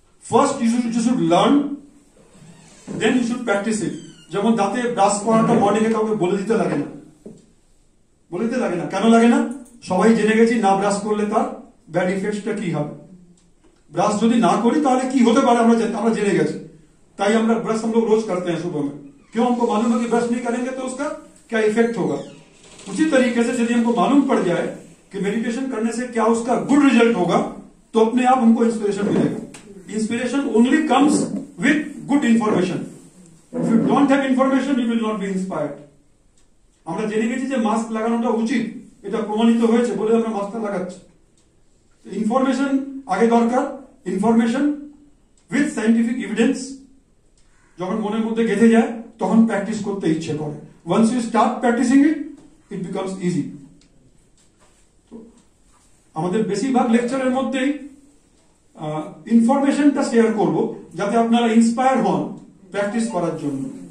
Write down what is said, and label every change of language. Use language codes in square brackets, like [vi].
[en] First you should learn, then you should practise it. [bn] যেমন দাঁতে brush করাটা মর্নিংয়ে কাউকে বলে দিতে লাগে না, কেন লাগে না, সবাই জেনে গেছি না ব্রাশ করলে তার ব্যাড ইফেক্টটা কি হবে। ব্রাশ যদি না করি তাহলে কি হতে পারে আমরা জেনে গেছি, [hi] ताई हमारा ब्रश हम लोग रोज करते हैं सुबह में, क्यों हमको मालूम है कि ब्रश नहीं करेंगे तो उसका क्या इफेक्ट होगा। उसी तरीके से यदि हमको मालूम पड़ जाए कि मेडिटेशन करने से क्या उसका गुड रिजल्ट होगा, तो अपने आप हमको इंस्पिरेशन मिलेगा। [en] Inspiration only comes with good information. If you don't have information you will not be inspired. [bn] আমরা জেনে গেছি যে মাস্ক লাগানোটা উচিত, এটা প্রমাণিত হয়েছে বলে আমরা মাস্কটা লাগাচ্ছি। ইনফরমেশন আগে দরকার, [en] information with scientific evidence [bn] যখন মনের মধ্যে গেঁথে যায় তখন প্র্যাকটিস করতে ইচ্ছে করে। [en] Once you start practising it, it becomes easy. [bn] তো আমাদের বেশিরভাগ লেকচারের মধ্যেই ইনফরমেশনটা শেয়ার করব, যাতে আপনারা ইন্সপায়ার হন প্র্যাকটিস করার জন্য।